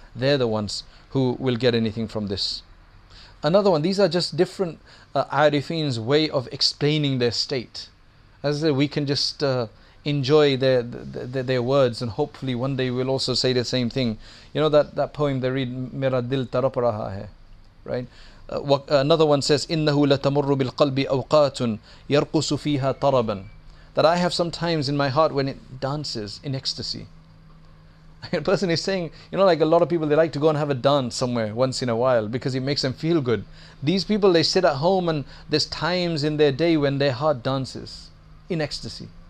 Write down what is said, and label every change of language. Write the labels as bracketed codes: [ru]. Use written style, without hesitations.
[en] They're the ones who will get anything from this. Another one, these are just different arifin's way of explaining their state. As I said, we can just enjoy their words, and hopefully one day we'll also say the same thing. You know that poem they read, Mera Dil Tarap Raha Hai, right? Another one says, [ar] إِنَّهُ لَتَمُرُّ بِالْقَلْبِ أَوْقَاتٌ يَرْقُسُ فِيهَا طَرَبًا. [en] That I have sometimes in my heart when it dances in ecstasy. A person is saying, you know, like a lot of people, they like to go and have a dance somewhere once in a while because it makes them feel good. These people, they sit at home and there's times in their day when their heart dances in ecstasy.